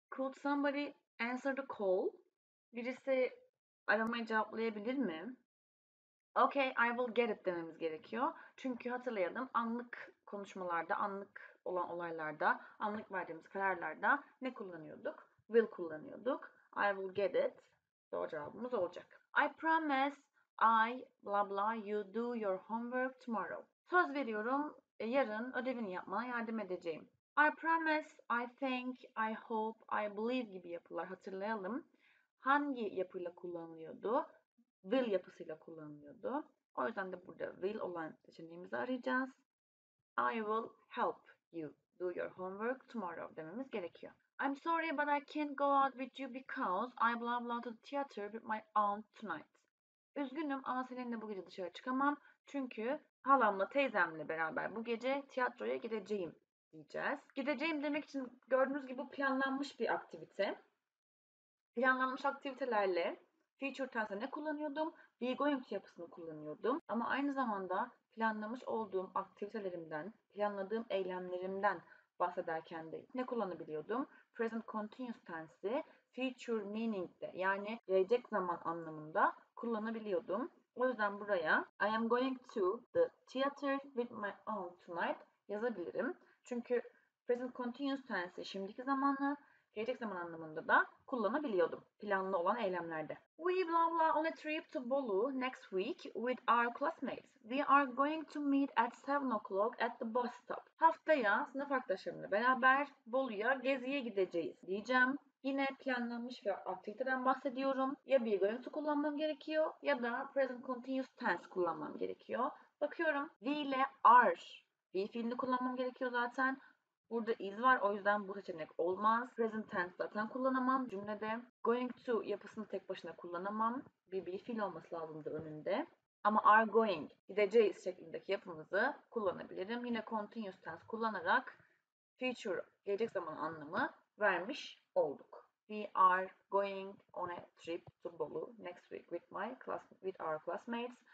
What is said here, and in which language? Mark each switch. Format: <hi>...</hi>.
<en>Could somebody answer the call?</en> <tr>Birisi aramayı cevaplayabilir mi?</tr> <en>Okay, I will get it</en> <tr>dememiz gerekiyor. Çünkü hatırlayalım, anlık konuşmalarda, anlık olan olaylarda, anlık verdiğimiz kararlarda ne kullanıyorduk?</tr> <en>Will</en> <tr>kullanıyorduk.</tr> <en>I will get it.</en> <tr>Doğru cevabımız olacak.</tr> <en>I promise I blah blah you do your homework tomorrow.</en> <tr>Söz veriyorum, yarın ödevini yapmana yardım edeceğim.</tr> <en>I promise, I think, I hope, I believe</en> <tr>gibi yapılar hatırlayalım. Hangi yapıyla kullanılıyordu? Will yapısıyla kullanılıyordu. O yüzden de burada will olan seçeneğimizi arayacağız.</tr> <en>I will help you do your homework tomorrow</en> <tr>dememiz gerekiyor.</tr> <en>I'm sorry but I can't go out with you because I blah blah to the theater with my aunt tonight.</en> <tr>Üzgünüm ama seninle bu gece dışarı çıkamam. Çünkü halamla teyzemle beraber bu gece tiyatroya gideceğim diyeceğiz. Gideceğim demek için gördüğünüz gibi planlanmış bir aktivite. Planlanmış aktivitelerle future tense'e ne kullanıyordum? Be going to yapısını kullanıyordum. Ama aynı zamanda planlamış olduğum aktivitelerimden, planladığım eylemlerimden bahsederken de ne kullanabiliyordum? Present continuous tense'i future meaning'de yani gelecek zaman anlamında kullanabiliyordum. O yüzden buraya</tr> <en>I am going to the theater with my aunt tonight</en> <tr>yazabilirim. Çünkü present continuous tense'i şimdiki zamanla gelecek zaman anlamında da kullanabiliyordum planlı olan eylemlerde.</tr> <en>We blah blah on a trip to Bolu next week with our classmates. We are going to meet at 7 o'clock at the bus stop.</en> <tr>Haftaya sınıf arkadaşlarımla beraber Bolu'ya geziye gideceğiz diyeceğim. Yine planlanmış bir aktiviteden bahsediyorum. Ya be going to kullanmam gerekiyor ya da present continuous tense kullanmam gerekiyor. Bakıyorum we ile are. We fiilini kullanmam gerekiyor zaten. Burada is var o yüzden bu seçenek olmaz. Present tense zaten kullanamam cümlede. Going to yapısını tek başına kullanamam. Bir be fiil olması lazımdı önünde. Ama are going gideceğiz şeklindeki yapımızı kullanabilirim. Yine continuous tense kullanarak future gelecek zaman anlamı vermiş olduk.</tr> <en>We are going on a trip to Bolu next week with our classmates.</en>